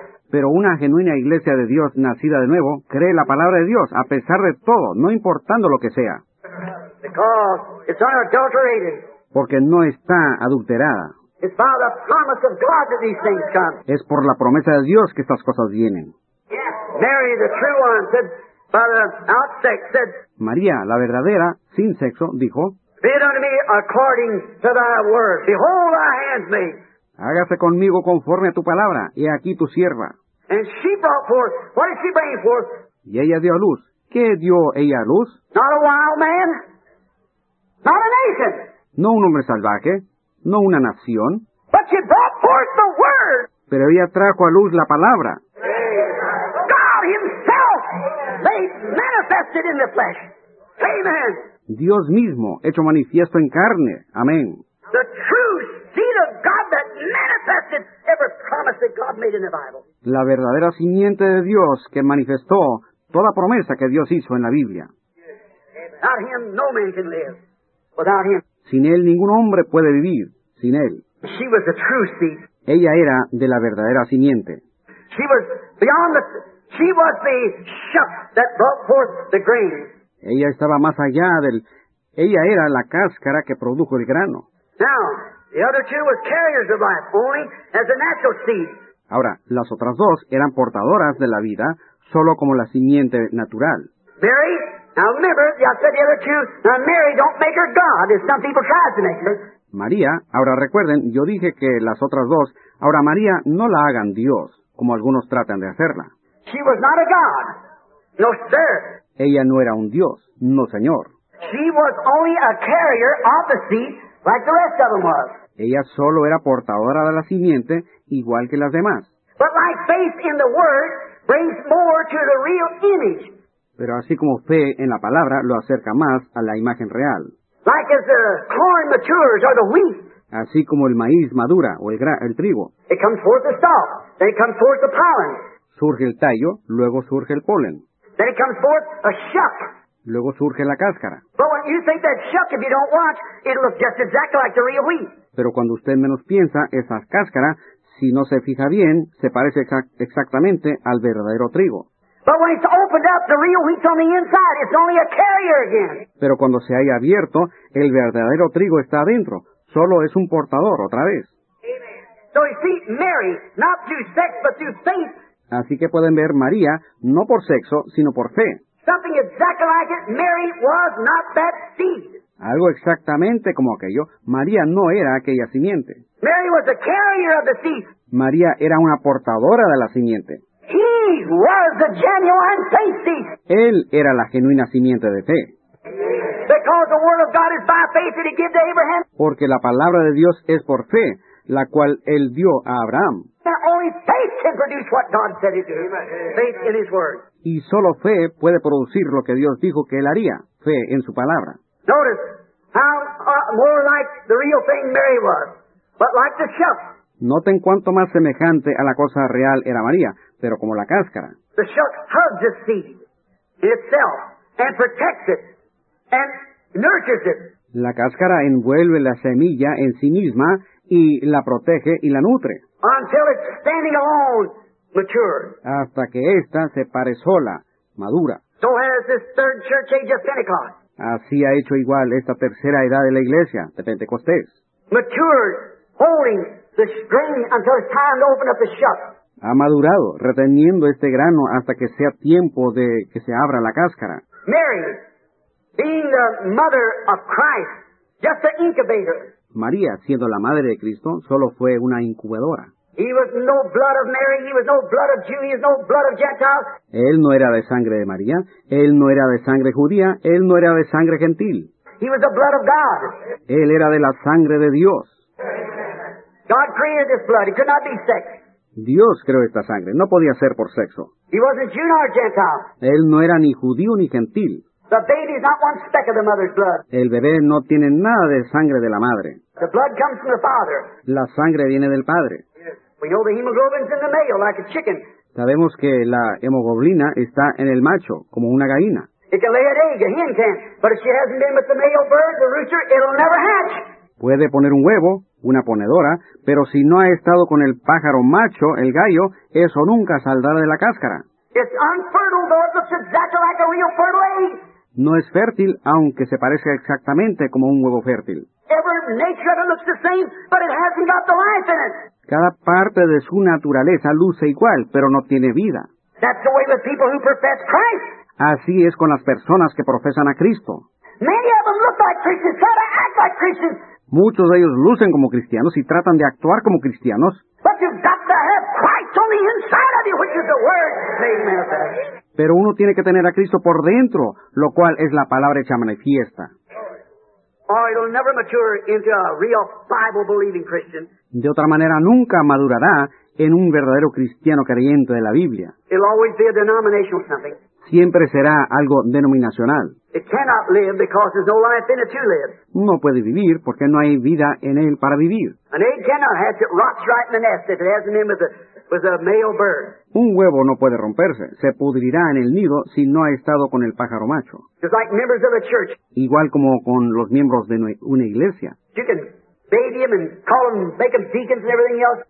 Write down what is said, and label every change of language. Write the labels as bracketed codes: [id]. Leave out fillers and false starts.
[es] Pero una genuina iglesia de Dios nacida de nuevo cree la palabra de Dios a pesar de todo, no importando lo que sea. [en] Because it's unadulterated. [es] Porque no está adulterada. [en] It's by the promise of God that these things come. [es] Es por la promesa de Dios que estas cosas vienen. [en] Mary, the true one, said, Father, out sex, said, [es] María, la verdadera, sin sexo, dijo, [en] be it unto me according to thy word. Behold, thy handmaid. [es] Hágase conmigo conforme a tu palabra, y aquí tu sierva. [en] And she brought forth, what did she bring forth? [es] Y ella dio a luz. ¿Qué dio ella a luz? [en] Not a wild man. Not a nation. [es] No un hombre salvaje. No una nación. [en] But she brought forth the word. [es] Pero ella trajo a luz la palabra. [en] God himself made manifested in the flesh. Amen. [es] Dios mismo hecho manifiesto en carne. Amén. [en] The true seed of God that manifested every promise that God made in the Bible. [es] La verdadera simiente de Dios que manifestó toda promesa que Dios hizo en la Biblia. [en] Without him, no man can live. Without him. [es] Sin él, ningún hombre puede vivir. Sin él. [en] She was the true seed. [es] Ella era de la verdadera simiente. [en] She was beyond the, she was the shuck that brought forth the grain. [es] Ella estaba más allá del, ella era la cáscara que produjo el grano. [en] Now, the other two were carriers of life, only as a natural seed. [es] Ahora, las otras dos eran portadoras de la vida, solo como la simiente natural. [en] Mary, now remember, I said the other two, now Mary, don't make her God, as some people try to make her. [es] María, ahora recuerden, yo dije que las otras dos, ahora María, no la hagan Dios, como algunos tratan de hacerla. [en] She was not a God, no sir. [es] Ella no era un Dios, no señor. [en] She was only a carrier of the seed, like the rest of them was. [es] Ella solo era portadora de la simiente, igual que las demás. [en] But like faith in the word brings more to the real image. [es] Pero así como fe en la palabra lo acerca más a la imagen real. [en] Like as the corn matures or the wheat. [es] Así como el maíz madura o el trigo. [en] It comes forth the stalk, then it comes forth the pollen. [es] Surge el tallo, luego surge el polen. [en] Then it comes forth a shuck. [es] Luego surge la cáscara. [en] But when you think that shuck, if you don't watch, it looks just exactly like the real wheat. [es] Pero cuando usted menos piensa, esa cáscara, si no se fija bien, se parece exactamente al verdadero trigo. [en] But when it's opened up, the real wheat's on the inside. It's only a carrier again. [es] Pero cuando se haya abierto, el verdadero trigo está adentro. Solo es un portador, otra vez. [en] Amen. So you see, Mary, not through sex, but through faith. [es] Así que pueden ver María, no por sexo, sino por fe. [en] Something exactly like it, Mary was not that seed. [es] Algo exactamente como aquello, María no era aquella simiente. [en] Mary was a carrier of the seed. [es] María era una portadora de la simiente. [en] He was the genuine faith seed. [es] Él era la genuina simiente de fe. [en] Because the word of God is by faith that he gave to Abraham. [es] Porque la palabra de Dios es por fe, la cual él dio a Abraham. [en] And only faith can produce what God said he'd do. Faith in his word. [es] Y solo fe puede producir lo que Dios dijo que él haría, fe en su palabra. [en] Notice how more like the real thing Mary was, but like the shuck. [es] Noten cuánto más semejante a la cosa real era María, pero como la cáscara. [en] The shuck hugs the seed itself and protects it and nurtures it. [es] La cáscara envuelve la semilla en sí misma y la protege y la nutre. [en] Until it's standing alone, mature. [es] Hasta que ésta se pare sola, madura. [en] So has this third church age of Pentecost. [es] Así ha hecho igual esta tercera edad de la iglesia, de Pentecostés. [en] Matured, holding the grain until it's time to open up the shuck. [es] Ha madurado, reteniendo este grano hasta que sea tiempo de que se abra la cáscara. [en] Mary, being the mother of Christ, just the incubator. [es] María, siendo la madre de Cristo, solo fue una incubadora. [en] He was no blood of Mary, he was no blood of Jew, he was no blood of Gentile. [es] Él no era de sangre de María, él no era de sangre judía, él no era de sangre gentil. [en] He was the blood of God. [es] Él era de la sangre de Dios. [en] God created this blood, it could not be sex. [es] Dios creó esta sangre, no podía ser por sexo. [en] He wasn't Jew nor Gentile. [es] Él no era ni judío ni gentil. [en] The baby is not one speck of the mother's blood. [es] El bebé no tiene nada de sangre de la madre. [en] The blood comes from the father. [es] La sangre viene del padre. [en] We know the hemoglobin's in the male, like a chicken. [es] Sabemos que la hemoglobina está en el macho, como una gallina. [en] It can lay an egg, a hen can. But if she hasn't been with the male bird, the rooster, it'll never hatch. [es] Puede poner un huevo, una ponedora, pero si no ha estado con el pájaro macho, el gallo, eso nunca saldrá de la cáscara. [en] It's unfertile, though it looks exactly like a real fertile egg. [es] No es fértil, aunque se parezca exactamente como un huevo fértil. [en] other nature that looks the same, but it hasn't got the life in it. [es] Cada parte de su naturaleza luce igual, pero no tiene vida. [en] That's the way with people who profess Christ. [es] Así es con las personas que profesan a Cristo. [en] Many of them look like Christians, try to act like Christians. [es] Muchos de ellos lucen como cristianos y tratan de actuar como cristianos. [en] But you've got to have Christ on the inside of you, which is the word made manifest. [es] Pero uno tiene que tener a Cristo por dentro, lo cual es la palabra hecha manifiesta. [en] Or it'll never mature into a real Bible-believing Christian. [es] De otra manera, nunca madurará en un verdadero cristiano creyente de la Biblia. [en] It'll always be a denominational something. [es] Siempre será algo denominacional. [en] It cannot live because there's no life in it to live. [es] No puede vivir porque no hay vida en él para vivir. [en] An egg cannot hatch, it rots right in the nest if it hasn't been with a male bird. [es] Un huevo no puede romperse. Se pudrirá en el nido si no ha estado con el pájaro macho. [en] Just like members of a church. [es] Igual como con los miembros de una iglesia. [en] You can baby them and call them, make them deacons and everything else.